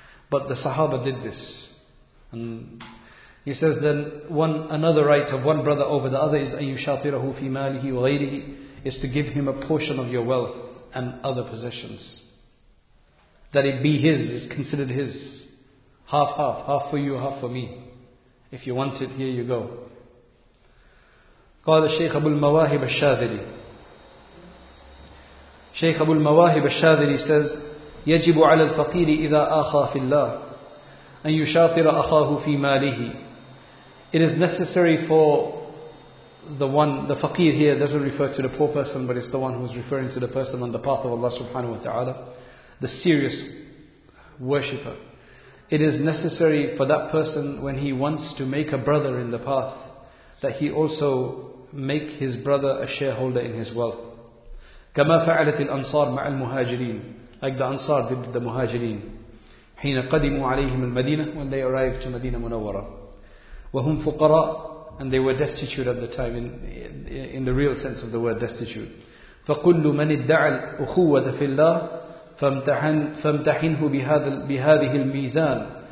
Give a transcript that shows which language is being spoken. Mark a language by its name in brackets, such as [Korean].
[English] But the Sahaba did this. And he says then, another right of one brother over the other is [Arabic] أَن يُشَاطِرَهُ فِي مَالِهِ وَغَيْرِهِ, [English] is to give him a portion of your wealth and other possessions. That it be his, is considered his. Half-half, half for you, half for me. If you want it, here you go. [Arabic] قال الشيخ أبو المواهب الشاذلي. شيخ أبو المواهب الشاذلي [English] says, [Arabic] يجب على الفقير إذا آخى في الله أن يشاطر أخاه في ماله. [English] It is necessary for the one, the faqir here doesn't refer to the poor person, but it's the one who's referring to the person on the path of Allah subhanahu wa ta'ala, the serious worshipper. It is necessary for that person, when he wants to make a brother in the path, that he also make his brother a shareholder in his wealth. [Arabic] كما فعلت الأنصار مع المهاجرين, [English] like the Ansar did the Muhajirin. [Arabic] حين قدموا عليهم المدينة, [English] when they arrived to Medina Munawwara. [Arabic] وهم فقراء, [English] and they were destitute at the time, in the real sense of the word destitute. [Arabic] فقل من ادعى الأخوة في الله فامتحنه بهذه الميزان.